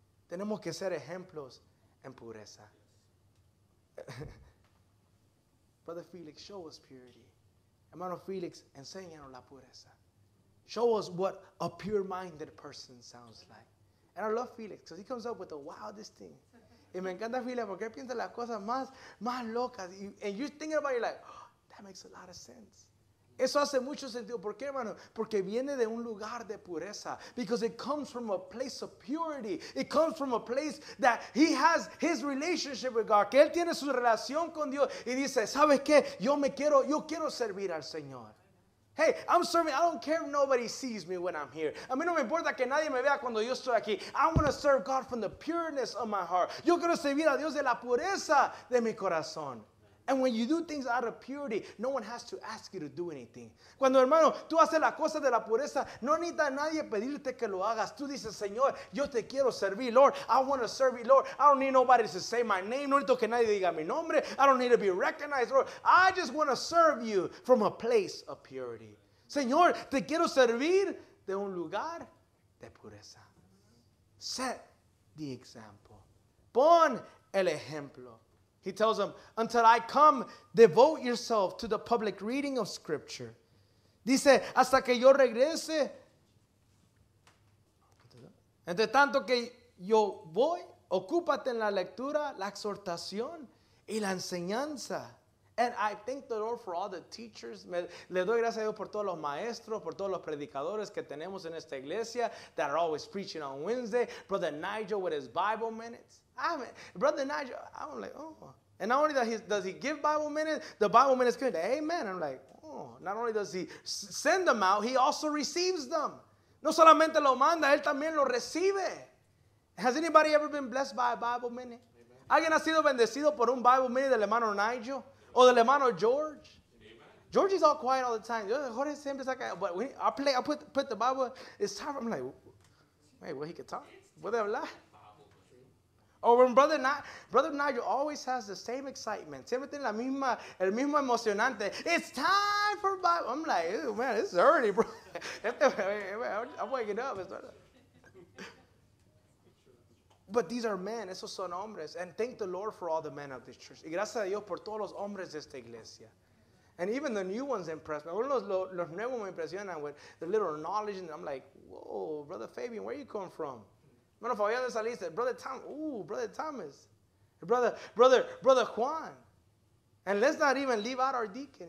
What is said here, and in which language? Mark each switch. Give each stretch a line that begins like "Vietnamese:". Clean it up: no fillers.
Spanish: Tenemos que ser ejemplos en pureza.
English: Brother Felix, show us purity.
Spanish: Hermano Felix, enséñanos la pureza.
English: Show us what a pure-minded person sounds like. And I love Felix because he comes up with the wildest thing.
Spanish: Y me encanta Felix porque piensa las cosas más locas.
English: And you're thinking about it, you're like, oh, that makes a lot of sense.
Spanish: Eso hace mucho sentido. ¿Por qué, hermano? Porque viene de un lugar de pureza.
English: Because it comes from a place of purity. It comes from a place that he has his relationship with God.
Spanish: Que él tiene su relación con Dios. Y dice, ¿sabes qué? Yo quiero servir al Señor.
English: Hey, I'm serving. I don't care if nobody sees me when I'm here.
Spanish: A mí no me importa que nadie me vea cuando yo estoy aquí.
English: I want to serve God from the pureness of my heart.
Spanish: Yo quiero servir a Dios de la pureza de mi corazón.
English: And when you do things out of purity, no one has to ask you to do anything.
Spanish: Cuando, hermano, tú haces las cosas de la pureza, no necesita nadie pedirte que lo hagas. Tú dices, Señor, yo te quiero servir, Lord.
English: I want to serve you, Lord. I don't need nobody to say my name.
Spanish: No necesito que nadie diga mi nombre.
English: I don't need to be recognized, Lord. I just want to serve you from a place of purity.
Spanish: Señor, te quiero servir de un lugar de pureza.
English: Set the example.
Spanish: Pon el ejemplo.
English: He tells them, until I come, devote yourself to the public reading of Scripture.
Spanish: Dice, hasta que yo regrese. Entre tanto que yo voy, ocúpate en la lectura, la exhortación y la enseñanza.
English: And I thank the Lord for all the teachers.
Spanish: Le doy gracias a Dios por todos los maestros, por todos los predicadores que tenemos en esta iglesia
English: that are always preaching on Wednesday. Brother Nigel with his Bible minutes. Brother Nigel, I'm like, oh, And not only that, does he give Bible minutes, the Bible minutes come. Amen. I'm like, oh, not only does he send them out, he also receives them.
Spanish: No solamente lo manda, él también lo recibe.
English: Has anybody ever been blessed by a Bible minute? Amen.
Spanish: ¿Alguien ha sido bendecido por un Bible minute del hermano Nigel?
English: Amen.
Spanish: ¿O del hermano George?
English: Amen. George is all quiet all the time.
Spanish: Jorge siempre saca,
English: but when I put the Bible, it's time. I'm like, wait, what, he can talk?
Spanish: ¿Puede hablar?
English: Or when Brother Nigel always has the same excitement.
Spanish: Siempre tiene la misma, el mismo emocionante.
English: It's time for Bible. I'm like, ew, man, it's early, bro. I'm waking up. But these are men.
Spanish: Esos son hombres.
English: And thank the Lord for all the men of this church.
Spanish: Y gracias a Dios por todos los hombres de esta iglesia.
English: And even the new ones impress me.
Spanish: Los nuevos me impresionan
English: with the little knowledge. And I'm like, whoa, Brother Fabian, where you come from? Brother Thomas. Brother Juan. And let's not even leave out our deacon.